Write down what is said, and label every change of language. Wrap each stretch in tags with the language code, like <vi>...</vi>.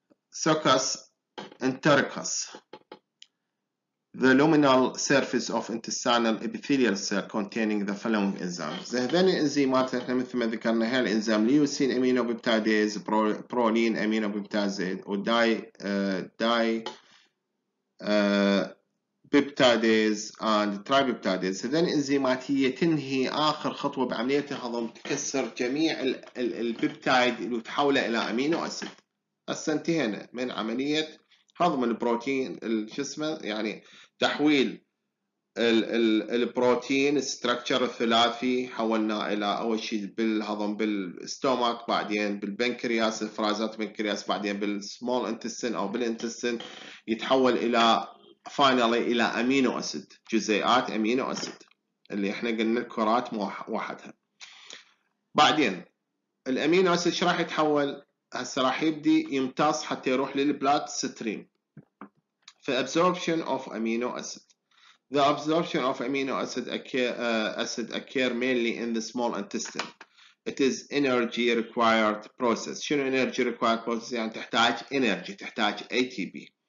<en>Sulcus enteritus. The luminal surface of intestinal epithelial cell containing the following enzymes.</en> <ar>هذين الانزيمات احنا مثل ما ذكرنا، هي الانزيم ليوسين امينو بيبتايدز، برولين امينو بيبتايدز، وداي داي بيبتايدز اند تريبيبتايدز. هذين الانزيمات هي تنهي اخر خطوه بعمليه الهضم، تكسر جميع البيبتايد اللي تحوله الى امينو اسيد. هسه انتهينا من عمليه هضم البروتين، الجسم يعني تحويل البروتين ستراكشر الثلاثي حولناه الى اول شيء بالهضم بالستومك، بعدين بالبنكرياس افرازات البنكرياس، بعدين بالسمول انتستين او بالانتستين يتحول الى فاينالي الى امينو اسيد، جزيئات امينو اسيد اللي احنا قلنا الكرات موحدها. بعدين الامينو اسيد ايش راح يتحول؟ هسه راح يبدي يمتص حتى يروح للبلاد ستريم.</ar> <en>فابسوربشن of amino acid. The absorption of amino acid occur mainly in the small intestine. It is energy required process.</en> <ar>شنو</ar> <en>energy required process؟</en> <ar>يعني تحتاج energy، تحتاج ATP.</ar>